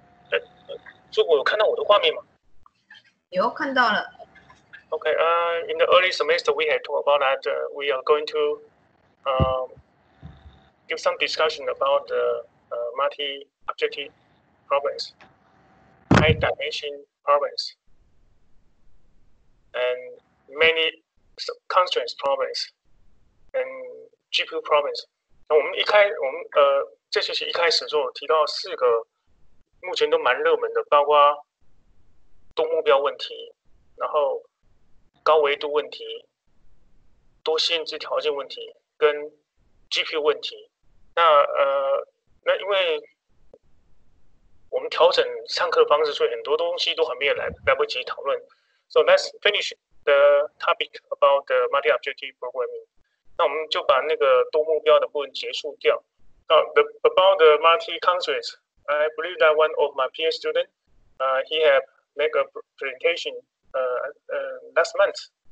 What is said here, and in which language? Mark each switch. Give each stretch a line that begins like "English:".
Chinese: 谢谢。诸果有看到我的画面吗？有看到了。
English: Okay, in the early semester, we had talked about that we are going to give some discussion about the multi-objective problems, high-dimension problems, and many constraints problems, and GPU problems.
Chinese: 那我们一开，我们这学期一开始就提到四个目前都蛮热门的，包括多目标问题，然后高维度问题，多限制条件问题跟 GPU 问题。那因为我们调整上课方式，所以很多东西都还没有来不及讨论。
English: So let's finish the topic about the multi-objective programming.
Chinese: 那我们就把那个多目标的部分结束掉。
English: About the multi-constraints, I believe that one of my PhD students, he havemake a presentation last month.